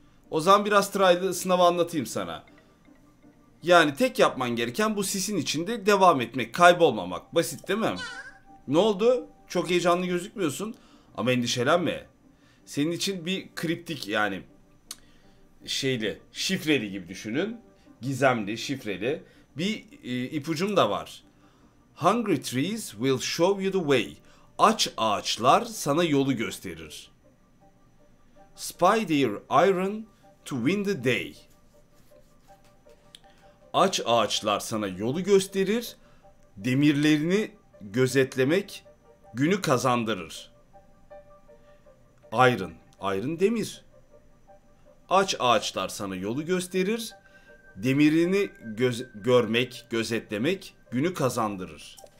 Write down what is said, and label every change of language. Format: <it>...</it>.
<tr>O zaman biraz trial sınavı anlatayım sana. Yani tek yapman gereken bu sisin içinde devam etmek, kaybolmamak. Basit değil mi? Ne oldu? Çok heyecanlı gözükmüyorsun. Ama endişelenme. Senin için bir kriptik, yani şeyli, şifreli gibi düşünün. Gizemli, şifreli. Bir ipucum da var.</tr> <en>Hungry trees will show you the way.</en> <tr>Aç ağaçlar sana yolu gösterir.</tr> <en>Spy their iron to win the day.</en> <tr>Aç ağaçlar sana yolu gösterir. Demirlerini gözetlemek günü kazandırır. Iron. ayrın demir. Aç ağaçlar sana yolu gösterir. Demirini görmek, gözetlemek günü kazandırır.</tr>